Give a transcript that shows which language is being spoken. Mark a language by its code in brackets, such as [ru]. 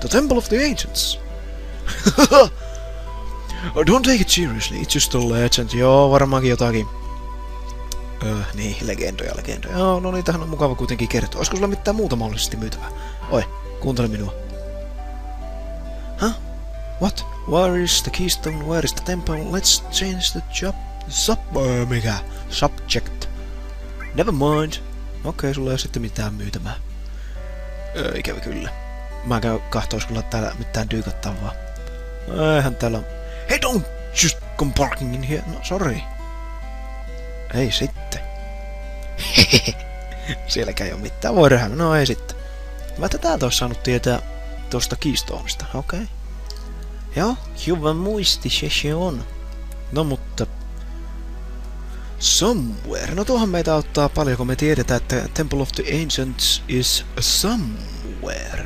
[en] The Temple of the Ancients? Oh, don't take it seriously, it's just a legend. [fi] Joo, varmaankin jotakin. Niin, legendoja. Joo, no niin, tähän on mukava kuitenkin kertoa. Olisiko sulla mitään muuta mahdollisesti myytävää? Oi, kuuntele minua. [en] What? Where is the keystone? Where is the temple? Let's change the job. [fi] Mikä? [en] Subject. Never mind. [fi] Okei, sulla ei ole sitten mitään myytämää. Ikävä kyllä. Mä käyn kahta, olisiko sulla täällä mitään dyykattavaa. Eihän täällä... [en] Hey, don't just come parking in here. No, sorry. [fi] Ei sitten. Hehehe. Sielläkään ei oo mitään. Voi röhän. No ei sitten. Mä täältä ois saanut tietää tosta keystoneista. Okei. Joo, hyvä muisti se on. No mutta... Somewhere. No tuohan meitä auttaa paljon, kun me tiedetään, että Temple of the Ancients [en] is somewhere.